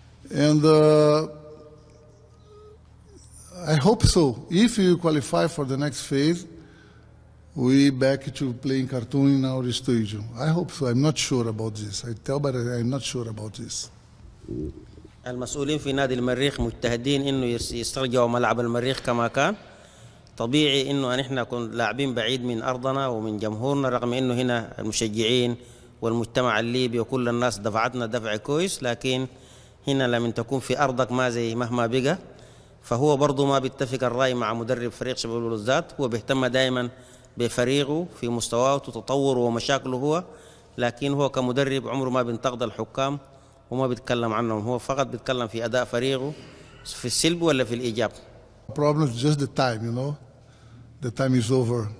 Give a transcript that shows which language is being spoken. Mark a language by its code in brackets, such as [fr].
[en] And I hope so. If you qualify for the next phase, we back to playing cartoon in our studio. I hope so. I'm not sure about this. I tell, but I'm not sure about this. [ar] المسؤولين في نادي المريخ مجتهدين انه يسترجعوا ملعب المريخ كما كان. طبيعي انه احنا كنا لاعبين بعيد من ارضنا ومن جمهورنا، رغم انه هنا المشجعين والمجتمع الليبي وكل الناس دفعتنا دفع كويس، لكن هنا لم تكن في ارضك ما زي مهما بقى. فهو برضه ما بيتفق الراي مع مدرب فريق شباب الوزات، هو بيهتم دائما بفريقه في مستواه وتطوره ومشاكله هو، لكن هو كمدرب عمره ما بينتقد الحكام وما بيتكلم عنهم، هو فقط بيتكلم في اداء فريقه في السلب ولا في الايجاب. [en] Problem is just the time, you know. The time is over.